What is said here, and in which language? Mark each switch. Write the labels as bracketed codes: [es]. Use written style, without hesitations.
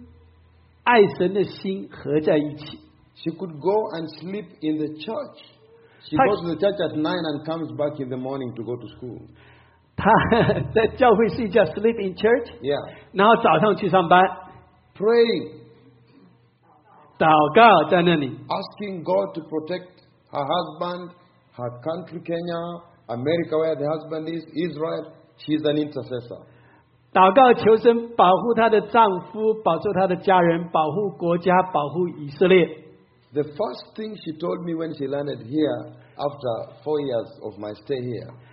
[zh] 她把她的工作跟爱神的心合在一起。 [en] She could go and sleep in the church. She goes to the church at 9 and comes back in the morning to go to school. [zh] 她在教会睡觉, [en] sleep in church? Yeah. [zh] 然后早上去上班。 [en] Praying. [zh] 祷告在那里。 [en] Asking God to protect her husband, her country Kenya, America where the husband is, Israel, she's an intercessor. [zh] 祷告求神保护她的丈夫，保住她的家人，保护国家，保护以色列。 [en] The first thing she told me when she landed here after 4 years of my stay here.